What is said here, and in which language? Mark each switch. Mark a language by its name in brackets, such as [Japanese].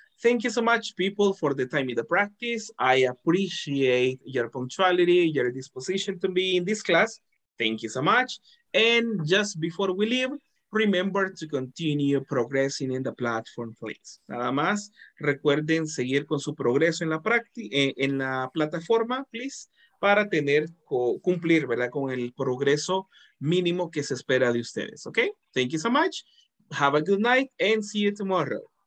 [English] Thank you so much, people, for the time in the practice. I appreciate your punctuality, your disposition to be in this class. Thank you so much. And just before we leave, remember to continue progressing in the platform, please. [Spanish] Nada más, recuerden seguir con su progreso en la práctica, en la plataforma, please, para tener, cumplir, ¿verdad?, con el progreso mínimo que se espera de ustedes, okay? [English] Thank you so much. Have a good night and see you tomorrow.